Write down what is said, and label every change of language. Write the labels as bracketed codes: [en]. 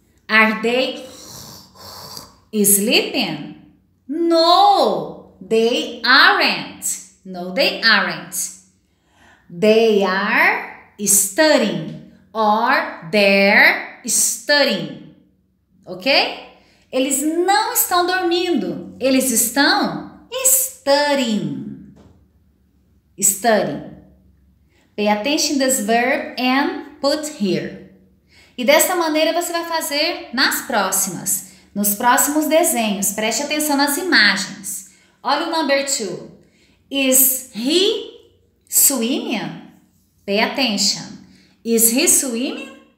[en] Are they sleeping? No, they aren't. No, they aren't. They are studying or they're studying. Ok? [pt] Eles não estão dormindo. Eles estão [en] studying. Studying. Pay attention to this verb and put here. [pt] E dessa maneira você vai fazer nas próximas. Nos próximos desenhos. Preste atenção nas imagens. Olha o [en] number 2. Is he swimming? Pay attention. Is he swimming?